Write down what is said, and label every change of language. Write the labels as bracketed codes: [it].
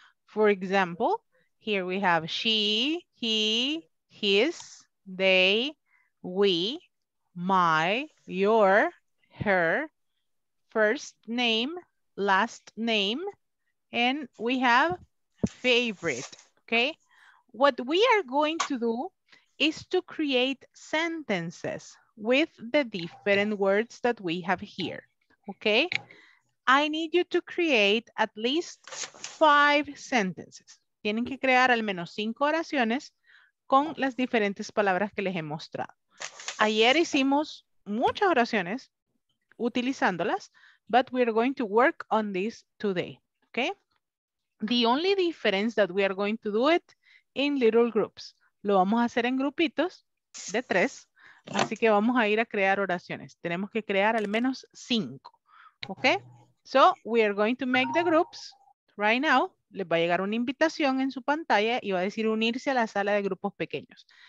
[en] For example, here we have she, he, his, they, we, my, your, her, first name, last name, and we have favorite, okay? What we are going to do is to create sentences with the different words that we have here, okay? I need you to create at least 5 sentences. [es] Tienen que crear al menos 5 oraciones con las diferentes palabras que les he mostrado. Ayer hicimos muchas oraciones utilizándolas, [en] but we are going to work on this today, okay? The only difference that we are going to do it in little groups. [es] Lo vamos a hacer en grupitos de 3, así que vamos a ir a crear oraciones. Tenemos que crear al menos 5, okay? [en] So we are going to make the groups right now. [es] Les va a llegar una invitación en su pantalla y va a decir unirse a la sala de grupos pequeños.